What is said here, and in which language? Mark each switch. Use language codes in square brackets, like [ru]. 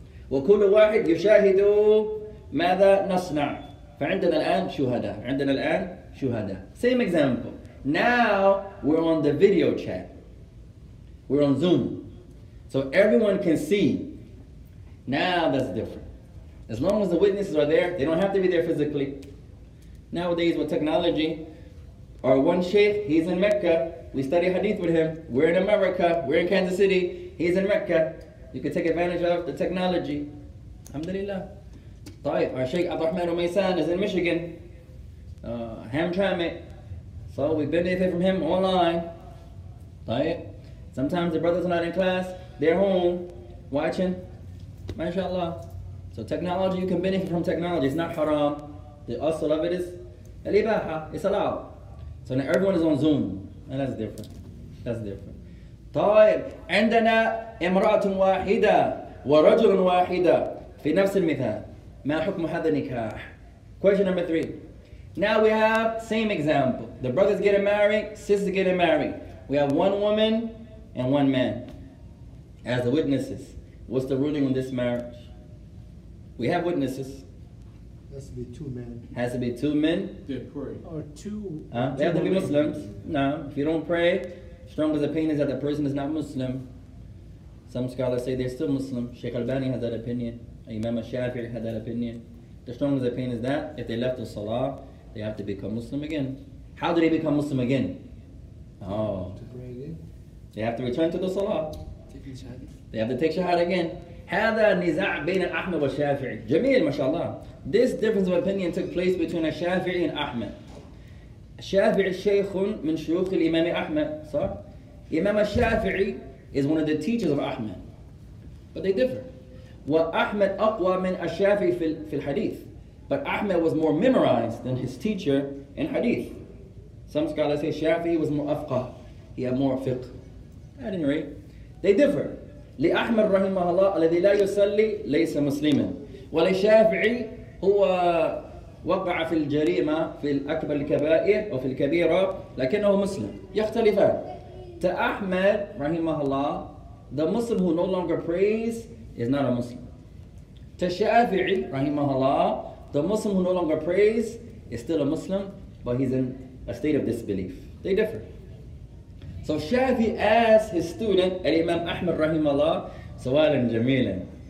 [ar] وكل واحد يشاهد ماذا نصنع. فعندنا الآن شهداء. عندنا الآن شهداء. [en] Same example. Now we're on the video chat. We're on Zoom, so everyone can see. Now that's different. As long as the witnesses are there, they don't have to be there physically. Nowadays with technology, our one sheikh, he's in Mecca. We study Hadith with him. We're in America, we're in Kansas City. He's in Mecca. You can take advantage of the technology. Alhamdulillah. طيب, our sheikh Abdurrahman Umaysan is in Michigan, Hamtramck. So we benefit from him online. [ar] طيب. [en] Sometimes the brothers are not in class, they're home, watching, mashallah. So technology, you can benefit from technology, it's not haram. The asal of it is al-ibaha, it's allowed. So now everyone is on Zoom, and that's different. That's different. [ar] طيب, عندنا امراة واحدة ورجل واحدة في نفس المثال. ما حكم هذا النكاح? [en] Question number 3. Now we have same example. The brothers getting married, sisters getting married. We have one woman, and one man as the witnesses. What's the ruling on this marriage? We have witnesses. Has to be two men. Has to be two men? They pray. Or two. They have to be Muslims. No, if you don't pray, strongest opinion is that the person is not Muslim. Some scholars say they're still Muslim. Sheikh Albani has that opinion. Imam Shafi'i had that opinion. The strongest opinion is that if they left the Salah, they have to become Muslim again. How do they become Muslim again? Oh. To pray again? They have to return to the Salah. They have to take Shahada again. [ar] هذا نزاع بين أحمد والشافعي. جميل ما شاء الله. [en] This difference of opinion took place between الشافعي and أحمد. [ar] الشافعي شيخ من شيوخ الإمام أحمد. صح? [en] إمام الشافعي is one of the teachers of أحمد. But they differ. [ar] وأحمد أقوى من الشافعي في الحديث. [en] But أحمد was more memorized than his teacher in Hadith. Some scholars say الشافعي was more أفقه. He had more فقه. At any rate, they differ. [ar] لأحمد رحمه الله الذي لا يصلي ليس مسلما. ولشافعي هو وقع في الجريمة في الأكبر الكبائر وفي الكبيرة لكنه مسلم يختلفان. [en] To Ahmed, rahimahullah, the Muslim who no longer prays is not a Muslim. To Shafi'i, rahimahullah, the Muslim who no longer prays is still a Muslim, but he's in a state of disbelief. They differ. So Shafi'i asked his student, Imam Ahmed, rahimahullah, sawalan jameelan.